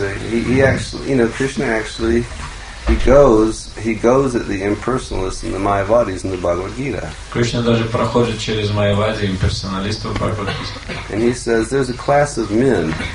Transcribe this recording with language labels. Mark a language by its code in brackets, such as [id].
[ru] He actually, Krishna actually he goes at the impersonalists and the Mayavadis in the Bhagavad Gita. Krishna даже проходит через Майявади имперсоналистов в Бхагавад Гите. [en] And he says there's a class of men.